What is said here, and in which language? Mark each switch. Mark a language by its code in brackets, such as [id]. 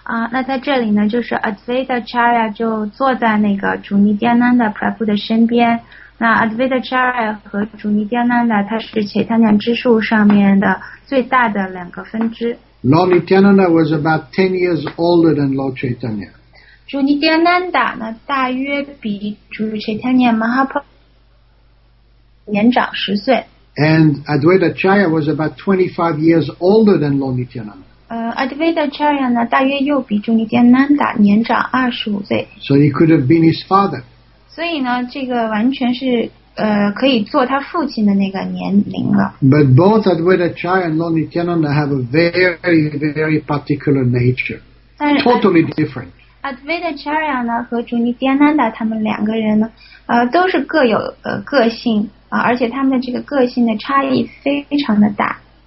[zh] 那在这里呢，就是 Advaita Acharya 就坐在那个主尼迦南的 Prabhu 的身边。那 Advaita Acharya 和主尼迦南的，它是 Chaitanya 支树上面的最大的两个分支。 [en] Lord Nityananda was about 10 years older than Lord Chaitanya. [zh] 主尼迦南达呢，大约比主查塔尼亚马哈帕年长十岁。 [en] And Advaita Acharya was about 25 years older than Lord Nityananda. [zh] Advaita Acharya 呢，大约又比主尼迦南达年长25岁。 [en] So he could have been his father. [zh] 所以呢，这个完全是可以做他父亲的那个年龄了。 [en] But both Advaita Acharya and Lord Nityananda have a very, very particular nature, totally different. [zh] Advaita Charya 呢和主尼迦南达他们两个人呢，都是各有个性啊，而且他们的这个个性的差异非常的大。